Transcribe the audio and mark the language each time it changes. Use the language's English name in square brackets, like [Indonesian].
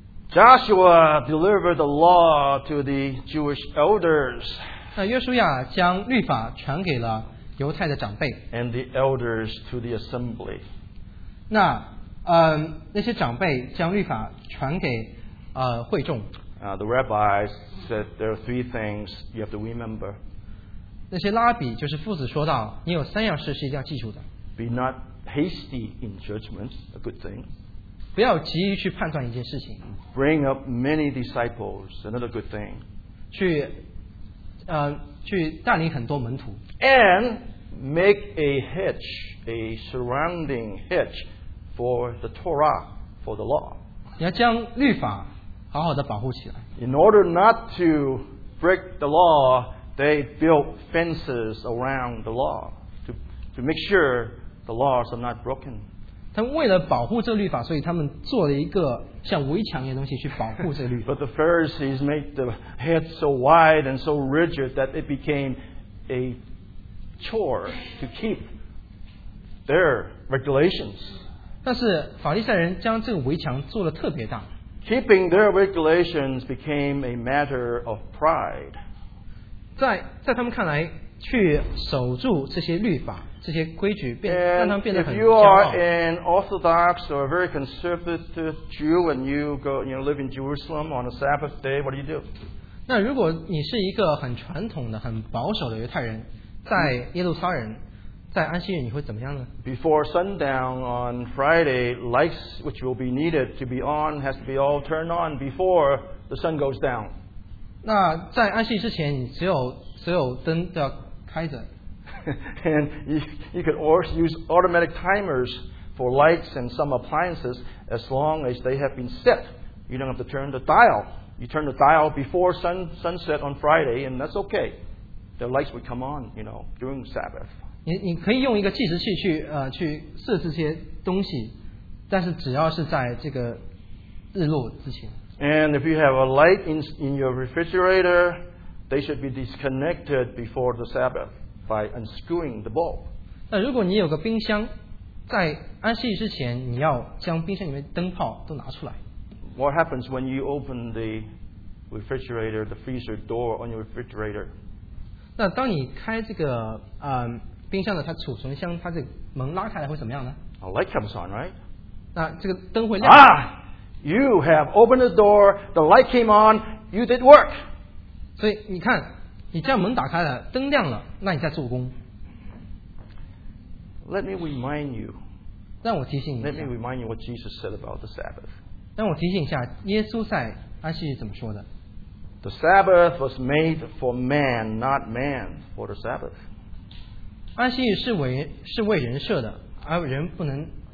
[English] Joshua delivered the law to the Jewish elders. [Chinese] 那约书亚将律法传给了犹太的长辈。 [English] And the elders to the assembly. [Chinese] 那那些长辈将律法传给会众。 [English] The rabbis said there are three things you have to remember. [Chinese] 那些拉比就是夫子说到，你有三样事是一定要记住的。 [English] Be not hasty in judgment, a good thing. [Chinese] 不要急于去判断一件事情。 [English] Bring up many disciples, another good thing. [Chinese] 去带领很多门徒。 [English] And make a hedge, a surrounding hedge for the Torah, for the law. [Chinese] 你要将律法好好的保护起来。 [English] In order not to break the law, they built fences around the law to make sure the laws are not broken. [Chinese] 他们为了保护这律法，所以他们做了一个像围墙一样的东西去保护这律法。 [English] But the Pharisees made the hedge so wide and so rigid that it became a chore to keep their regulations. [Chinese] 但是法利赛人将这个围墙做得特别大。 [English] Keeping their regulations became a matter of pride. [Chinese] 在他们看来，去守住这些律法、这些规矩，让他们变得很骄傲。 [English] If you are an Orthodox or a very conservative Jew and you go, you know, live in Jerusalem on a Sabbath day, what do you do? [Chinese] 那如果你是一个很传统的、很保守的犹太人，在耶路撒冷。在安息日你会怎么样呢? [English] Before sundown on Friday, lights which will be needed to be on has to be all turned on before the sun goes down. [Chinese] 那在安息日之前你只有灯要开着。 [English] And you could also use automatic timers for lights and some appliances as long as they have been set. You don't have to turn the dial. You turn the dial before sunset on Friday and that's okay. The lights would come on, you know, during Sabbath. [Chinese] 你可以用一个计时器去设置这些东西，但是只要是在这个日落之前。 [English] And if you have a light in your refrigerator, they should be disconnected before the Sabbath by unscrewing the bulb. [Chinese] 那如果你有个冰箱，在安息日之前，你要将冰箱里面灯泡都拿出来。 [English] What happens when you open the refrigerator, the freezer door on your refrigerator? [Chinese] 那当你开这个冰箱的它储存箱，它这个门拉开来会怎么样呢 [English] ？A light comes on, right? [Chinese] 那这个灯会亮。 [English] Ah, you have opened the door. The light came on. You did work. [Chinese] 所以你看，你这样门打开了，灯亮了，那你在做工。 [English] Let me remind you. [Chinese] 让我提醒你。 [English] Let me remind you what Jesus said about the Sabbath. [Chinese] 让我提醒一下，耶稣在安息日怎么说的 [English] ？The Sabbath was made for man, not man for the Sabbath. [Chinese] 安息日是为人设的，而人不能。